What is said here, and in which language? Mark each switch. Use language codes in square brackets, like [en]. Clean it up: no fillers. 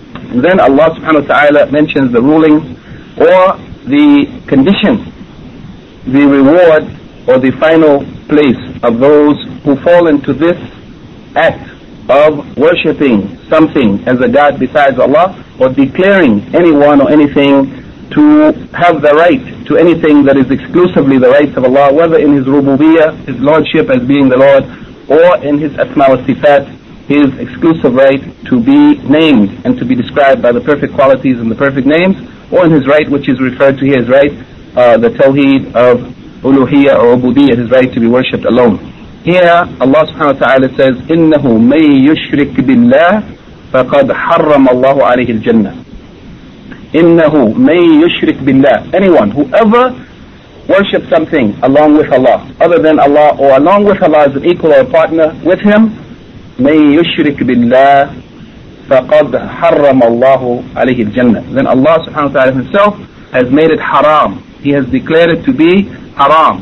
[en] And then Allah subhanahu wa ta'ala mentions the ruling or the condition, the reward or the final place of those who fall into this act of worshipping something as a god besides Allah, or declaring anyone or anything to have the right to anything that is exclusively the rights of Allah, whether in His rububiyyah, His lordship as being the Lord, or in His asma wa sifat, His exclusive right to be named and to be described by the perfect qualities and the perfect names, or in His right, which is referred to here as right, the Tawheed of Uluhiyya or Ubudiyya, His right to be worshipped alone. Here, Allah subhanahu wa ta'ala says, [ar] إِنَّهُ مَن يُشْرِكْ بِاللَّهِ فَقَدْ حَرَّمَ اللَّهُ عَلَيْهِ الْجَنَّةِ. إِنَّهُ مَن يُشْرِكْ بِاللَّهِ. [en] Anyone, whoever worships something along with Allah, other than Allah, or along with Allah as an equal or a partner with Him, [ar] مَنْ يُشْرِكْ بِاللَّهِ فَقَدْ حَرَّمَ اللَّهُ عَلَيْهِ الْجَنَّةِ. [en] Then Allah subhanahu wa ta'ala Himself has made it haram. He has declared it to be haram.